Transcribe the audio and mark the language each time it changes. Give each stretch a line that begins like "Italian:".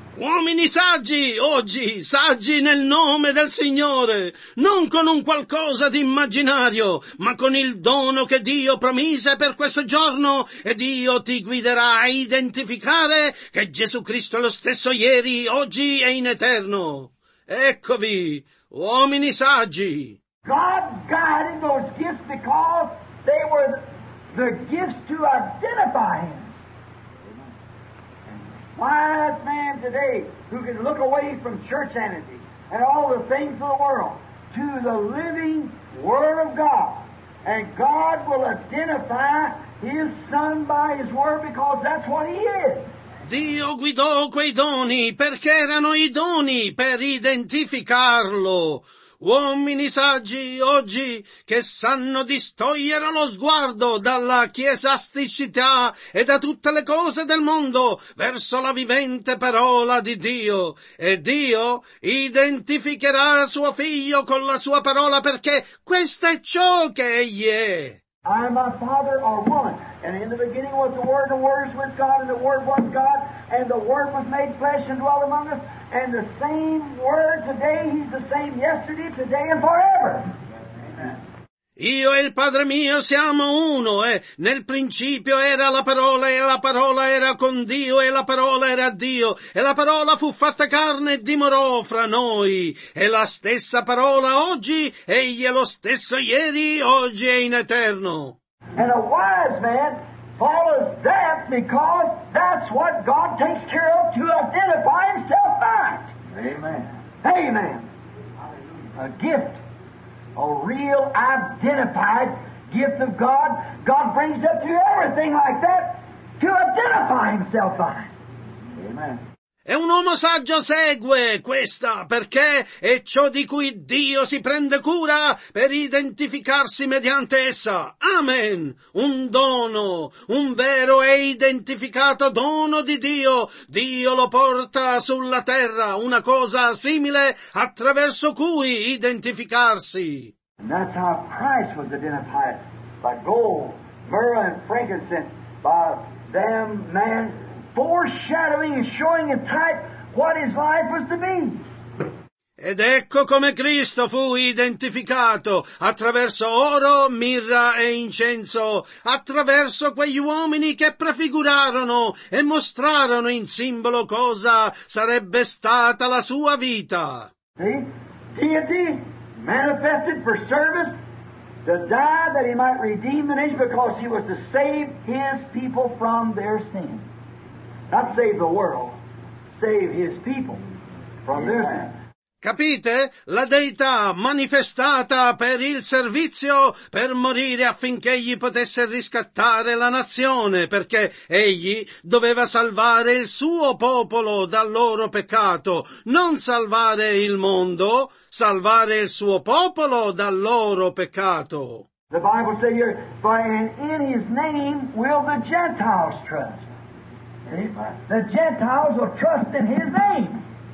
Italian: Uomini saggi oggi, saggi nel nome del Signore, non con un qualcosa di immaginario, ma con il dono che Dio promise per questo giorno, e Dio ti guiderà a identificare che Gesù Cristo è lo stesso ieri, oggi e in eterno. Eccovi, uomini saggi.
English: God guided those gifts because they were the gifts to identify Him. Wise man today who can look away from churchianity and all the things of the world to the living Word of God. And God will identify His Son by His Word because that's what He is.
Italian: Dio guidò quei doni perché erano i doni per identificarlo. Uomini saggi oggi che sanno distogliere lo sguardo dalla chiesasticità e da tutte le cose del mondo verso la vivente parola di Dio. E Dio identificherà suo figlio con la sua parola perché questo è ciò che egli è.
English: I and my Father are one. And in the beginning was the Word is with God, and the Word was God, and the Word was made flesh and dwelt among us. And the same Word today, He's the same yesterday, today, and forever.
Italian: Io e il Padre mio siamo uno, e nel principio era la parola, e la parola era con Dio, e la parola era Dio, e la parola fu fatta carne e dimorò fra noi, e la stessa parola oggi, egli è lo stesso ieri, oggi e in eterno.
English: And a wise man follows that because that's what God takes care of to identify himself by. Amen. Amen. A gift. A real identified gift of God. God brings us through everything like that to identify himself by. Amen.
Italian: E un uomo saggio segue questa, perché è ciò di cui Dio si prende cura per identificarsi mediante essa. Amen. Un dono, un vero e identificato dono di Dio. Dio lo porta sulla terra, una cosa simile attraverso cui identificarsi.
English: And that's how Christ was identified, by gold, myrrh, and frankincense, by them man foreshadowing and showing a type what his life was to be.
Italian: Ed ecco come Cristo fu identificato attraverso oro, mirra e incenso, attraverso quegli uomini che prefigurarono e mostrarono in simbolo cosa sarebbe stata la sua vita.
English: See? Deity manifested for service to die that he might redeem the nation because he was to save his people from their sin. Not save the world, save his people from their sin.
Italian: Capite? La Deità manifestata per il servizio, per morire affinché egli potesse riscattare la nazione, perché egli doveva salvare il suo popolo dal loro peccato, non salvare il mondo, salvare il suo popolo dal loro peccato.
English: The Bible says here, for in his name will the Gentiles trust. The Gentiles will trust in his name.